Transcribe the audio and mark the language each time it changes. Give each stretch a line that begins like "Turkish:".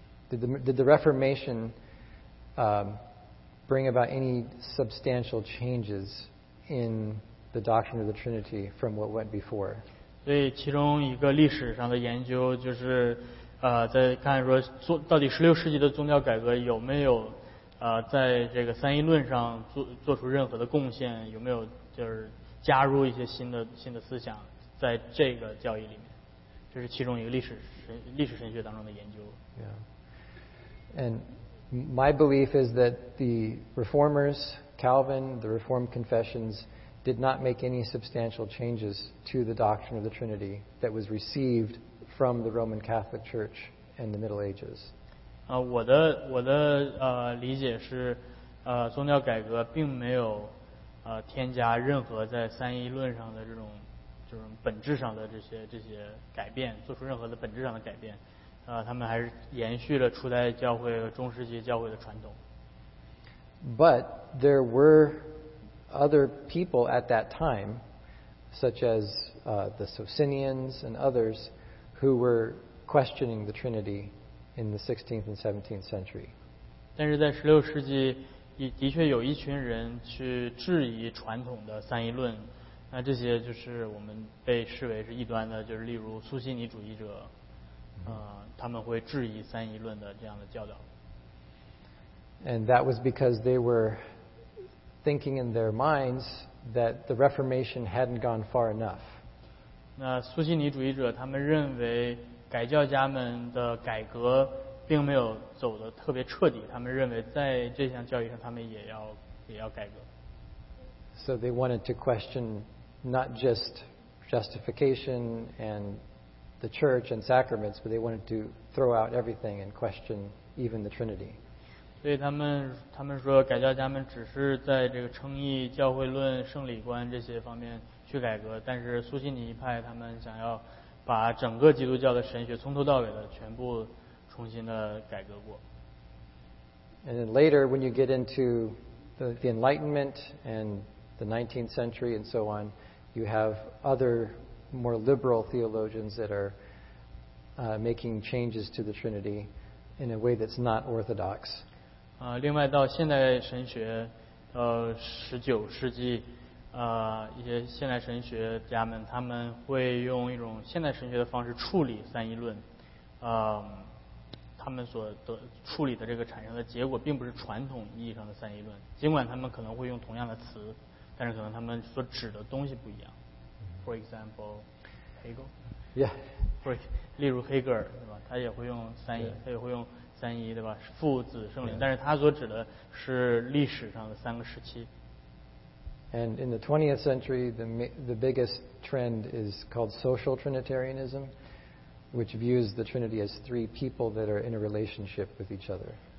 English: Did the Reformation bring about any substantial changes in the doctrine of the Trinity from what went before?
Chinese: 所以其中一个历史上的研究就是在看说到底16世纪的宗教改革有没有在这个三一论上做出任何的贡献，有没有就是加入一些新的思想在这个教义里面，这是其中一个历史神学当中的研究。
English: Yeah. And my belief is that the reformers, Calvin, the Reformed confessions did not make any substantial changes to the doctrine of the Trinity that was received from the Roman Catholic Church in the Middle Ages.
Chinese: 我的理解是宗教改革并没有添加任何在三一论上的这种本质上的这些改变，做出任何的本质上的改变，他们还是延续了初代教会和中世纪教会的传统。
English: But there were other people at that time, such as the Socinians and others, who were questioning the Trinity in the 16th and 17th century.
Chinese: 但是在16世纪的确有一群人去质疑传统的三一论，那这些就是我们被视为是异端的，就是例如苏西尼主义者，他们会质疑三一论的这样的教导。
English: And that was because they were thinking in their minds that the Reformation hadn't gone far enough.
Chinese: 那苏西尼主义者他们认为改教家们的改革并没有走得特别彻底，他们认为在这项教育上他们也要改革。
English: So they wanted to question not just justification and the church and sacraments, but they wanted to throw out everything and question even the Trinity.
Chinese: 所以他们说改教家们只是在这个称义、教会论、圣礼观这些方面去改革，但是苏西尼派他们想要把整个基督教的神学从头到尾的全部重新的改革过。
English: And then later, when you get into the Enlightenment and the 19th century and so on, you have other more liberal theologians that are making changes to the Trinity in a way that's not orthodox.
Chinese: 另外到现代神学，19世纪，一些现代神学家们他们会用一种现代神学的方式处理三一论，他们所得处理的这个产生的结果并不是传统意义上的三一论，尽管他们可能会用同样的词，但是可能他们所指的东西不一样。
English: For example, Hegel. Yeah.
Chinese: 不是，例如黑格尔，对吧？他也会用三一，
English: yeah.
Chinese: 他也会用三一，对吧？父子圣灵， yeah. 但是他所指的是历史上的三个时期。
English: And in the 20th century, the biggest trend is called social Trinitarianism, which views the Trinity as three people that are in a relationship with each other.